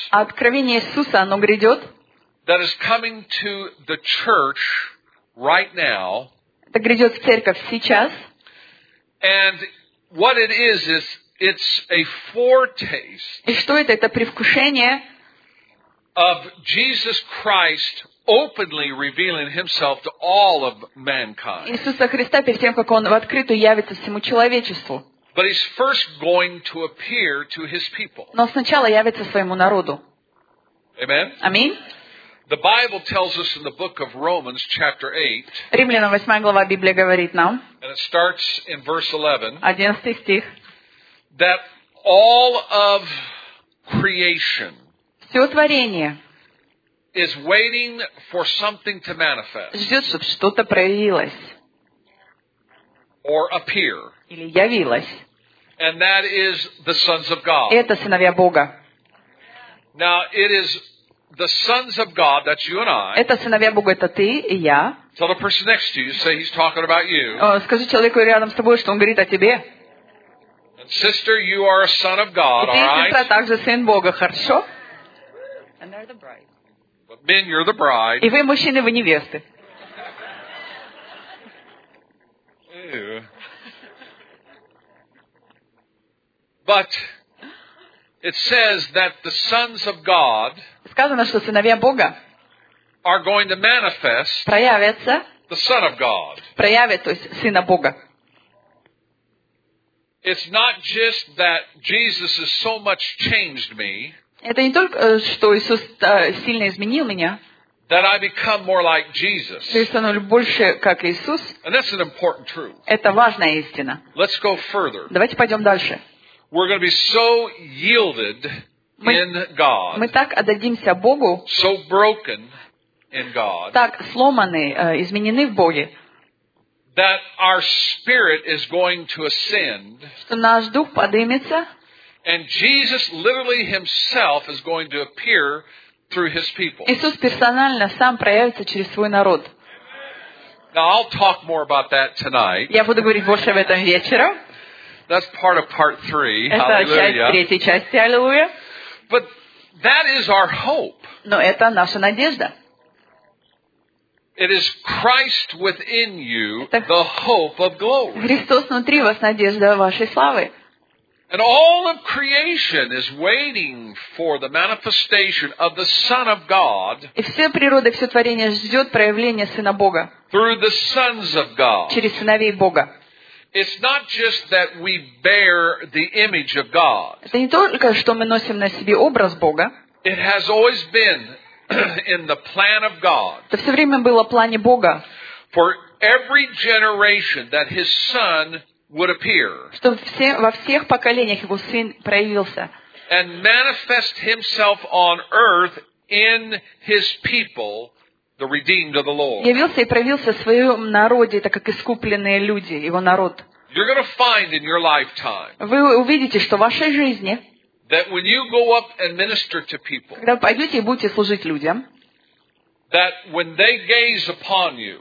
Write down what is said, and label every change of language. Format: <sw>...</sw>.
<ru>Откровение Иисуса, оно грядет.</ru> <en>That is coming to the church right now.</en> <ru>Это грядет в церковь сейчас.</ru> <en>And what it is it's a foretaste.</en> <ru>И что это привкушение?</ru> <en>Of Jesus Christ openly revealing himself to all of mankind.</en> <ru>Иисуса Христа перед тем, как он в открытую явится всему человечеству.</ru> <en>But he's first going to appear to his people.</en> <ru>Но сначала явится своему народу.</ru> <en>Amen.</en> <ru>Аминь.</ru> <en>The Bible tells us in the book of Romans chapter 8.</en> <ru>Римлянам 8 глава Библии говорит нам.</ru> <en>And it starts in verse 11.</en> <ru>11 стих.</ru> <en>That all of creation.</en> <ru>Всё творение.</ru> <en>Is waiting for something to manifest.</en> <ru>Ждёт, чтобы что-то проявилось.</ru> <en>Or appear.</en> <ru>Или явилось.</ru> <en>And that is the sons of God.</en> <ru>Это сыновья Бога.</ru> <en>Now it is the sons of God, that's you and I.</en> <ru>Это сыновья Бога, это ты и я.</ru> <en>Tell the person next to you, say he's talking about you.</en> <ru>Скажи человеку рядом с тобой, что он говорит о тебе.</ru> <en>And sister, you are a son of God, all right?</en> <ru>И ты, сестра, также сын Бога, хорошо?</ru> <en>And they're the bride. But men, you're the bride.</en> <ru>И вы, мужчины, вы невесты.</ru> <en>But it says that the sons of God.</en> <ru>Сказано, что сыновья Бога.</ru> <en>Are going to manifest.</en> <ru>Проявятся.</ru> <en>The Son of God.</en> <ru>Проявят, то есть сына Бога.</ru> <en>It's not just that Jesus has so much changed me.</en> <ru>Это не только что Иисус сильно изменил меня.</ru> <en>that I become more like Jesus.</en> <ru>Я становлюсь больше как Иисус.</ru> <en>And that's an important truth.</en> <ru>Это важная истина.</ru> <en>Let's go further.</en> <ru>Давайте пойдём дальше.</ru> <en>We're going to be so yielded in God.</en> <ru>Мы так отдадимся Богу.</ru> <en>So broken in God.</en> <ru>Так сломаны, изменены в Боге.</ru> <en>That our spirit is going to ascend.</en> <ru>Что наш дух поднимется.</ru> <en>And Jesus literally himself is going to appear through his people.</en> <ru>Иисус персонально сам проявится через свой народ.</ru> <en>Now I'll talk more about that tonight.</en> <ru>Я буду говорить больше об этом вечером.</ru> <en>That's part of part 3.</en> <ru>Это третья часть, аллилуйя.</ru> <en>But that is our hope.</en> <ru>Но это наша надежда.</ru> <en>It is Christ within you, the hope of glory.</en> <ru>Христос внутри вас, надежда вашей славы.</ru> <en>And all of creation is waiting for the manifestation of the Son of God.</en> <ru>И вся природа, всё творение ждёт проявления Сына Бога.</ru> <en>Through the sons of God.</en> <ru>Через сыновей Бога.</ru> <en>It's not just that we bear the image of God.</en> <ru>Это не только что мы носим на себе образ Бога.</ru> <en>It has always been in the plan of God.</en> <ru>Это всё время было в плане Бога.</ru> <en>For every generation that his son would appear.</en> <ru>Что во всех поколениях его сын проявился.</ru> <en>And manifest himself on earth in his people, the redeemed of the Lord.</en> <ru>Явился и проявился в своём народе, так как искупленные люди, его народ.</ru> <en>You're going to find in your lifetime.</en> <ru>Вы увидите, что в вашей жизни.</ru> <en>That when you go up and minister to people.</en> <ru>Когда пойдёте и будете служить людям.</ru> <en>That when they gaze upon you.</en>